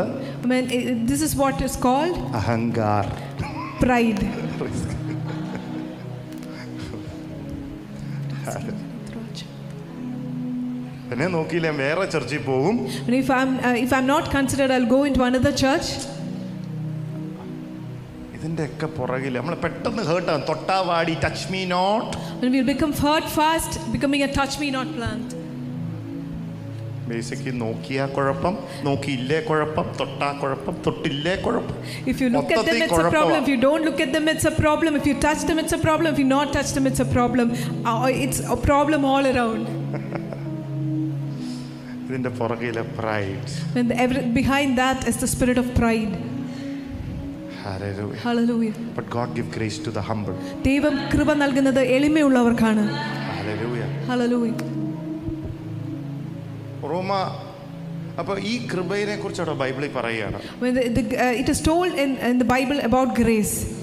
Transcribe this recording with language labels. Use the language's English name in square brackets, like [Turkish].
[English] I mean this is what is called [Malayalam] ahankar [English] pride [Malayalam] എന്നെ നോക്കിയില്ല വേറെ ചർച്ചിൽ പോകും [English] if I'm not considered I'll go into another church [Malayalam] ഇതിന്റെയൊക്കെ പുറകിൽ നമ്മൾ പെട്ടെന്ന് ഹേർട്ട് ആണ് തൊട്ടാ വാടി [English] touch me not When we become hurt fast becoming a touch me not plant [Malayalam] ബേസിക്കി നോക്കിയാ കുഴപ്പം നോക്കിയില്ലേ കുഴപ്പം തൊട്ടാ കുഴപ്പം തൊട്ടില്ലേ കുഴപ്പം [English] If you look at them it's a problem if you don't look at them it's a problem if you touch them it's a problem if you not touch them it's a problem it's a problem all around [Malayalam] ഇതിന്റെ പുറകിൽ pride [English] And behind that is the spirit of pride Hallelujah. Hallelujah. But God give grace to the humble. [Malayalam] ദൈവം കൃപ നൽകുന്നത് എളിമയുള്ളവർക്കാണ്. [English] Hallelujah. Hallelujah. [Malayalam] റോമാ അപ്പോൾ ഈ കൃപയെക്കുറിച്ചാണ് ബൈബിളിൽ പറയുകയാണ്. [English] It is told in the Bible about grace.